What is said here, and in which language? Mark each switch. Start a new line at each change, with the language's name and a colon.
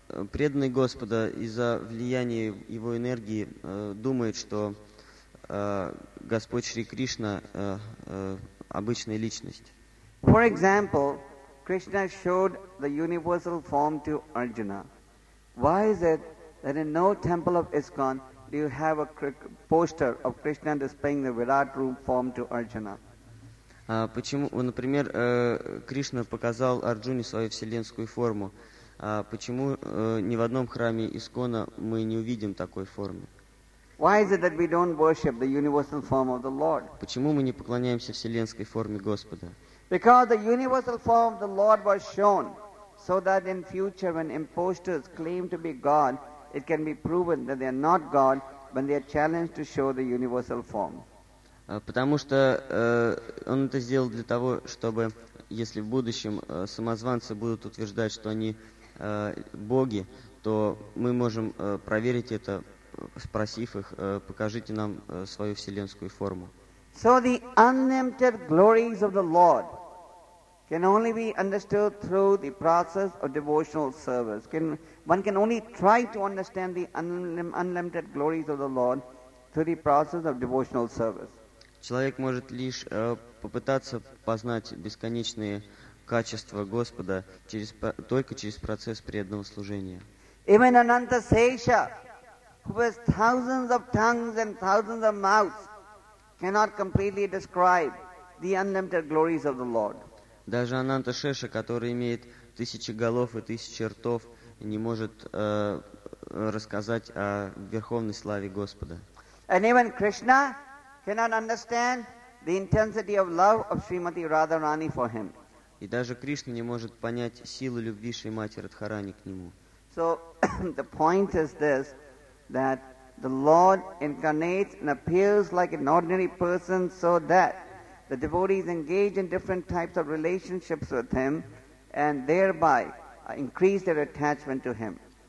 Russian: Преданный Господа из-за влияния Его энергии думает, что Господь Шри Кришна обычная личность.
English: For example, Krishna showed the universal form to Arjuna. Why is it that in no temple of ISKCON do you have a poster of Krishna displaying the Virat Roop form to Arjuna?
Russian: Почему, например, Кришна показал Арджуне свою вселенскую форму? Почему ни в одном храме ИСККОНа мы не увидим такой формы?
English: Why is it that we don't worship the universal form of the Lord?
Russian: Почему мы не поклоняемся вселенской форме Господа?
English: Because the universal form of the Lord was shown so that in future when imposters claim to be God, it can be proven that they are not God when they are challenged to show the universal form.
Russian: Потому что он это сделал для того, чтобы если в будущем самозванцы будут утверждать, что они боги, то мы можем проверить это, спросив их, покажите нам свою вселенскую форму.
English: So the unlimited glories of the Lord can only be understood through the process of devotional service. One can only try to understand the unlimited glories of the Lord through the process of devotional service.
Russian: Человек может лишь попытаться познать бесконечные качества Господа только через процесс преданного служения.
English: Even Ananta Sesha, who has thousands of tongues and thousands of mouths, cannot completely describe the unlimited glories of the Lord.
Russian: Даже Ананта Шеша, который имеет тысячи голов и тысячи ртов, не может рассказать о верховной славе Господа.
English: And even Krishna cannot understand the intensity of love of Srimati Radharani for him.
Russian: И даже Кришна не может понять силу любви Шримати Радхарани к нему.
English: So the point is this, that the Lord incarnates and appears like an ordinary person so that the devotees engage in different types of relationships with him and thereby increase their attachment to him.